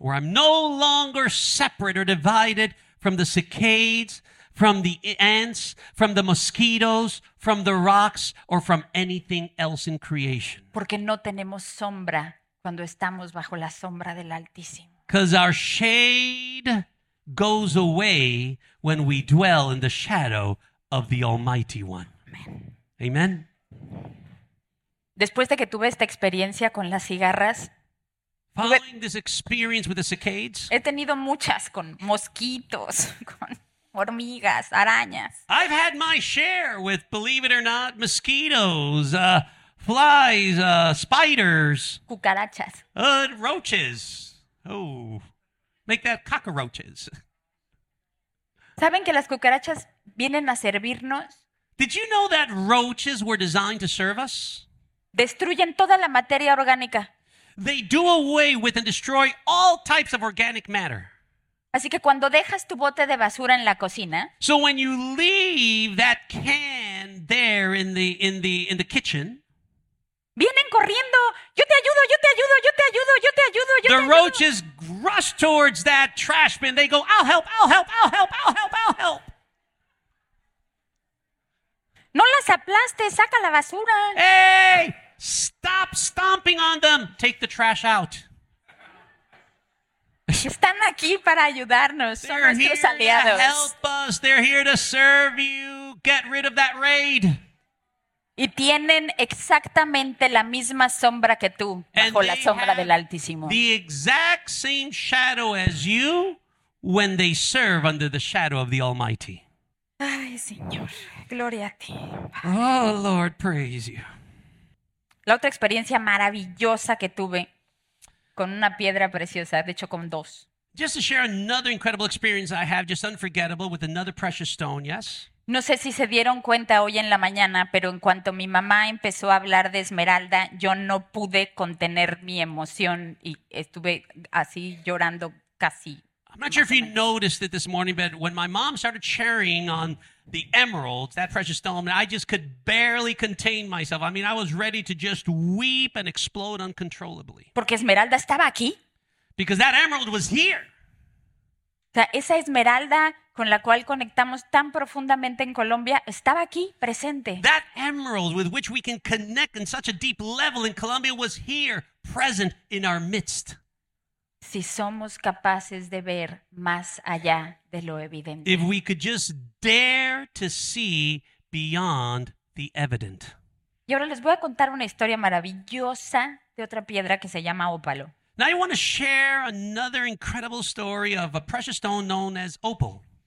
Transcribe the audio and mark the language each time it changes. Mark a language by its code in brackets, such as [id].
[en] Where I'm no longer separate or divided from the cicadas, from the ants, from the mosquitoes, from the rocks, or from anything else in creation. [es] Porque no tenemos sombra cuando estamos bajo la sombra del Altísimo. [en] Because our shade goes away when we dwell in the shadow of the Almighty One. Amen. Amen. [es] Después de que tuve esta experiencia con las cigarras, [en] following this experience with the cicadas, [es] he tenido muchas con mosquitos, con Hormigas, arañas. [en] I've had my share with, believe it or not, mosquitoes, flies, spiders. [es] Cucarachas. [en] Roaches. Oh, make that cockroaches. [es] ¿Saben que las cucarachas vienen a servirnos? [en] Did you know that roaches were designed to serve us? [es] Destruyen toda la materia orgánica. [en] They do away with and destroy all types of organic matter. [es] Así que cuando dejas tu bote de basura en la cocina, [en] so when you leave that can there in the kitchen, [es] vienen corriendo. Yo te ayudo, yo te ayudo, yo te ayudo, yo te ayudo, yo te ayudo. [en] The roaches rush towards that trash bin. They go, I'll help, I'll help, I'll help, I'll help, I'll help. [es] No las aplastes, saca la basura. [en] Hey, stop stomping on them. Take the trash out. [es] Están aquí para ayudarnos. [en] They're [es] son nuestros [en] here [es] aliados. [en] To help us. They're here to serve you. Get rid of that raid. [es] Y tienen exactamente la misma sombra que tú, bajo la sombra del Altísimo. [en] The exact same shadow as you when they serve under the shadow of the Almighty. [es] Ay, Señor, gloria a ti. [en] Oh, Lord, praise you. [es] La otra experiencia maravillosa que tuve con una piedra preciosa, de hecho con dos. [en] Just to share another incredible experience I have, just unforgettable, with another precious stone, yes? [es] No sé si se dieron cuenta hoy en la mañana, pero en cuanto mi mamá empezó a hablar de esmeralda, yo no pude contener mi emoción y estuve así llorando casi. [en] I'm not sure if you noticed it this morning, but when my mom started sharing on the emeralds, that precious stone, I just could barely contain myself. I mean, I was ready to just weep and explode uncontrollably. [es] Porque esmeralda estaba aquí. [en] Because that emerald was here. [es] O sea, esa esmeralda con la cual conectamos tan profundamente en Colombia estaba aquí, presente. [en] That emerald with which we can connect in such a deep level in Colombia was here, present in our midst. [es] Si somos capaces de ver más allá de lo evidente. [en] If we could just dare to see beyond the evident. [es] Y ahora les voy a contar una historia maravillosa de otra piedra que se llama ópalo. [en] Now I want to share another incredible story of a precious stone known as opal.